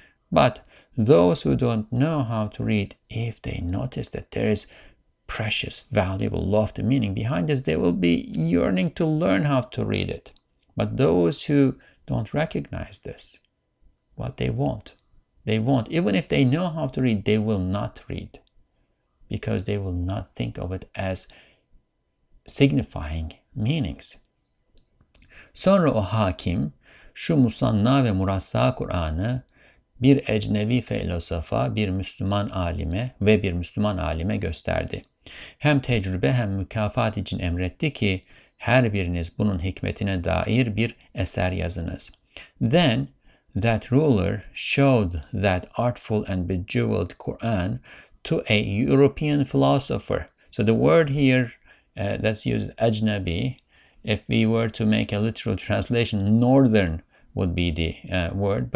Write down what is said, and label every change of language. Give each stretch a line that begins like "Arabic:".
English: But those who don't know how to read, if they notice that there is precious, valuable, lofty meaning behind this, they will be yearning to learn how to read it. But those who don't recognize this, what they want, they won't. Even if they know how to read, they will not read, because they will not think of it as signifying meanings.
Turkish: Sonra o hakim şu musanna ve murassa Kur'an'ı bir ecnevi filozofa, bir Müslüman alime ve bir Müslüman alime gösterdi. Hem tecrübe hem mükafat için emretti ki her biriniz bunun hikmetine dair bir eser yazınız.
English: Then that ruler showed that artful and bejeweled Quran to a European philosopher. So the word here that's used, ajnabi, if we were to make a literal translation, northern would be the word.